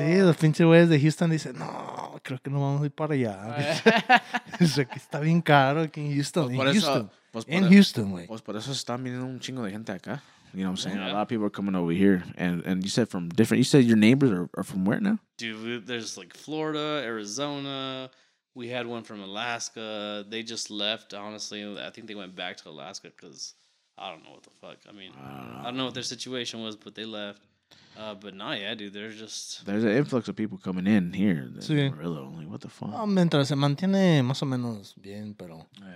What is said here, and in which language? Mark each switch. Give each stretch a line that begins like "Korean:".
Spanish: Sí, los pinches güeyes de Houston dicen, no, creo que no vamos a ir para allá. Es que está bien caro aquí en Houston. Pues en Houston, güey. Pues por eso están viniendo un chingo de gente acá.
English: You know what I'm saying? Yeah. A lot of people are coming over here. And you said from different, you said your neighbors are from where now? Dude, there's like Florida, Arizona. We had one from Alaska. They just left, honestly. I think they went back to Alaska because... I don't know what the fuck. I mean, I don't know what their situation was, but they left. But nah, yeah, dude, there's just... There's an influx of people coming in here. Really, what the fuck?
Spanish: Mientras se mantiene más o menos bien, pero...